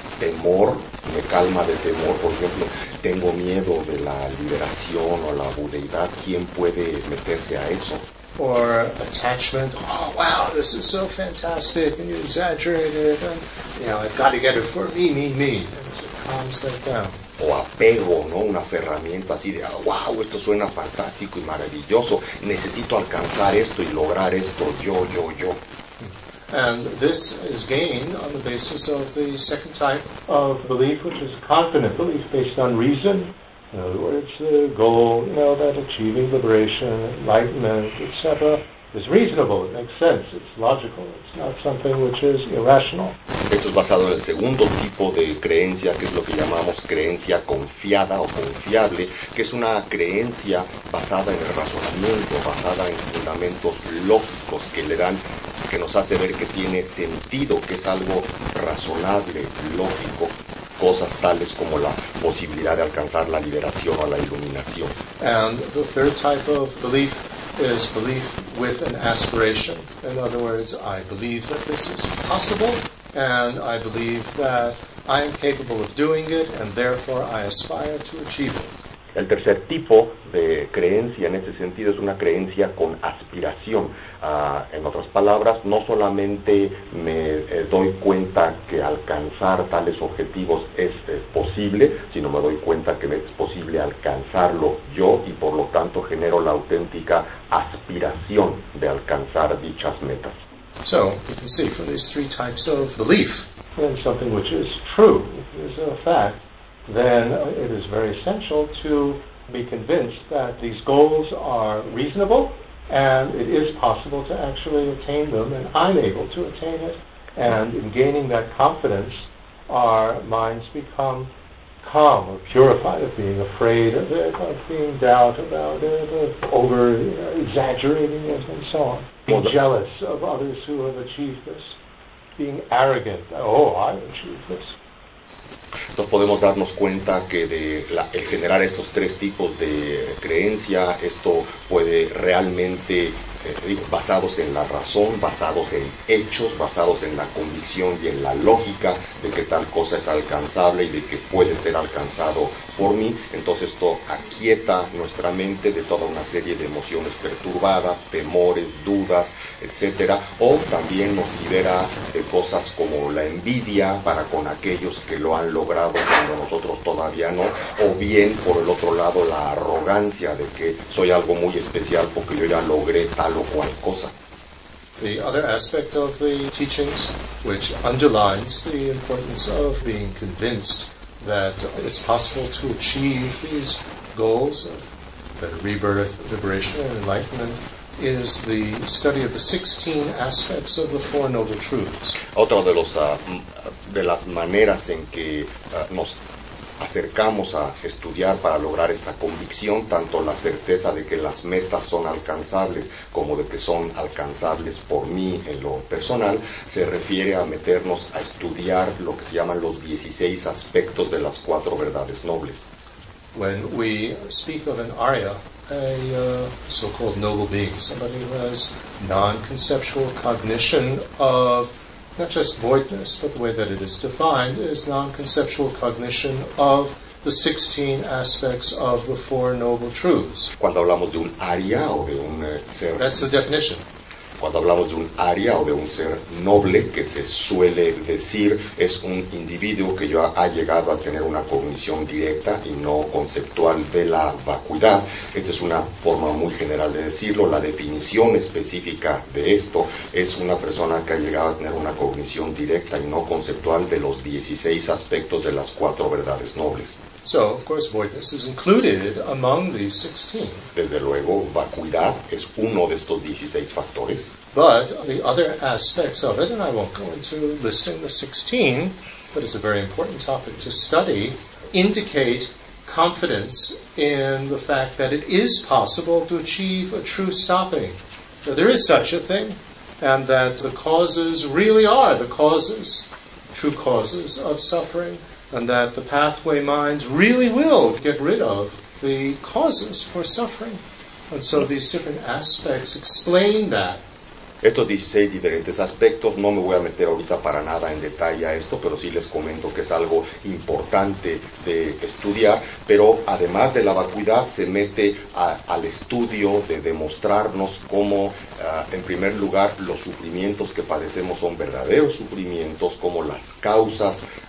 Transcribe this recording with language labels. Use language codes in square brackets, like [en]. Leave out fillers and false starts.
[es] Temor, me calma de temor, por ejemplo, tengo miedo de la liberación o la budeidad, ¿quién puede meterse a eso? [en] Or attachment, oh wow, this is so fantastic, and you exaggerate it, and I've got to get it for me, and so it calms that down. [es] O apego, ¿no? Un aferramiento así de, wow, esto suena fantástico y maravilloso, necesito alcanzar esto y lograr esto, yo. [en] And this is gained on the basis of the second type of belief, which is confident belief based on reason. In other words, the goal, that achieving liberation, enlightenment, etc., is reasonable, it makes sense, it's logical, it's not something which is irrational. [es] Esto es basado en el segundo tipo de creencia, que es lo que llamamos creencia confiada o confiable, que es una creencia basada en el razonamiento, basada en fundamentos lógicos que le dan, que nos hace ver que tiene sentido, que es algo razonable, lógico. Cosas tales como la posibilidad de alcanzar la liberación o la iluminación. [en] And the third type of belief is belief with an aspiration. In other words, I believe that this is possible, and I believe that I am capable of doing it, and therefore I aspire to achieve it. [es] El tercer tipo de creencia en este sentido es una creencia con aspiración. En otras palabras, no solamente me doy cuenta que alcanzar tales objetivos es posible, sino me doy cuenta que es posible alcanzarlo yo y por lo tanto genero la auténtica aspiración de alcanzar dichas metas. [en] So, you can see from these three types of belief, then something which is true, is a fact, then it is very essential to be convinced that these goals are reasonable, and it is possible to actually attain them, and I'm able to attain it. And in gaining that confidence, our minds become calm or purified of being afraid of it, of being doubt about it, of over exaggerating it, and so on. Being jealous of others who have achieved this, being arrogant, I achieved this. [es] Entonces podemos darnos cuenta que el generar estos tres tipos de creencia, esto puede realmente, basados en la razón, basados en hechos, basados en la convicción y en la lógica de que tal cosa es alcanzable y de que puede ser alcanzado por mí, entonces esto aquieta nuestra mente de toda una serie de emociones perturbadas, temores, dudas, etcétera, o también nos libera de cosas como la envidia para con aquellos que lo han logrado cuando nosotros todavía no, o bien por el otro lado la arrogancia de que soy algo muy especial porque yo ya logré tal o cual cosa. [en] The other aspect of the teachings which underlines the importance of being convinced that it's possible to achieve these goals of better rebirth, liberation and enlightenment is the study of the 16 aspects of the Four Noble Truths. [es] Otra de las maneras en que nos acercamos a estudiar para lograr esta convicción, tanto la certeza de que las metas son alcanzables como de que son alcanzables por mí en lo personal, se refiere a meternos a estudiar lo que se llaman los 16 aspectos de las cuatro verdades nobles. [en] When we speak of an arya, a so-called noble being, somebody who has non-conceptual cognition of not just voidness, but the way that it is defined is non-conceptual cognition of the 16 aspects of the four noble truths. [es] Cuando hablamos de un arya o de un ser, [en] that's the definition. [es] Cuando hablamos de un arya o de un ser noble, que se suele decir es un individuo que ya ha llegado a tener una cognición directa y no conceptual de la vacuidad. Esta es una forma muy general de decirlo. La definición específica de esto es una persona que ha llegado a tener una cognición directa y no conceptual de los 16 aspectos de las cuatro verdades nobles. [en] So, of course, voidness is included among these 16. [es] Desde luego, vacuidad es uno de estos 16 factores. [en] But the other aspects of it, and I won't go into listing the 16, but it's a very important topic to study, indicate confidence in the fact that it is possible to achieve a true stopping. That there is such a thing, and that the causes really are the causes, true causes of suffering. And that the pathway minds really will get rid of the causes for suffering. And so these different aspects explain that. [es] Estos 16 diferentes aspectos, no me voy a meter ahorita para nada en detalle a esto, pero sí les comento que es algo importante de estudiar. Pero además de la vacuidad, se mete al estudio de demostrarnos cómo, en primer lugar, los sufrimientos que padecemos son verdaderos sufrimientos, cómo las causas